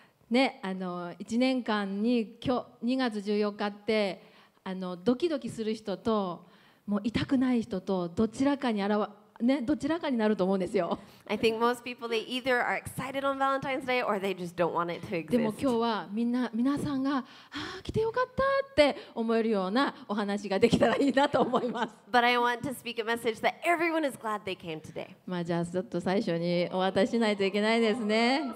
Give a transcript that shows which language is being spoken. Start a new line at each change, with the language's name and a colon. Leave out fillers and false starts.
Japanese: ね、あの1年間に今日2月14日ってあのドキドキする人ともう痛くない人とどちらかに現ねどちらかになると思うんですよ。
English: I think most people they either are excited on Valentine's Day or they just don't want it to exist.
Japanese: でも今日はみなさんが、はあ、来てよかったって思えるようなお話ができたらいいなと思います。
English: But I want to speak a message that everyone is glad they came today.
Japanese: まあじゃあちょっと最初にお渡ししないといけないですね。